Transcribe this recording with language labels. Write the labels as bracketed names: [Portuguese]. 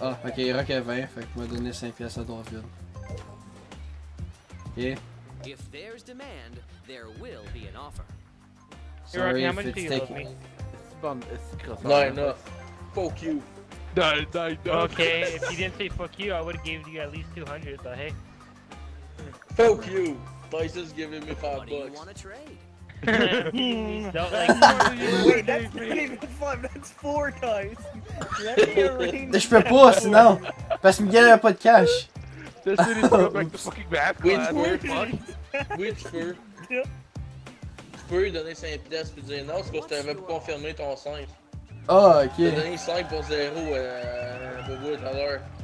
[French] Ah, ok, Rock à 20, fait qu'il m'a donné 5 piastres à Dorfield. [English] Ok. If there's demand, there will be an offer. Sorry, hey, Rock, how much do you love me? Fuck you. No. Okay, if you didn't say fuck you, I would've gave you at least 200, but hey. Fuck you. Vice is giving me $5. What do you want to trade? Wait, that's not even fun. That's four times. Let me arrange. I can't, sinon. Because Miguel has no cash. This is going back to fucking math class. Which fur? Which fur? [French] Tu peux lui donner 5 pièces puis dire non, c'est parce que tu avais pas confirmé ton 5. Ah, oh, ok. Tu as donné 5 pour 0 à Bobo tout à l'heure.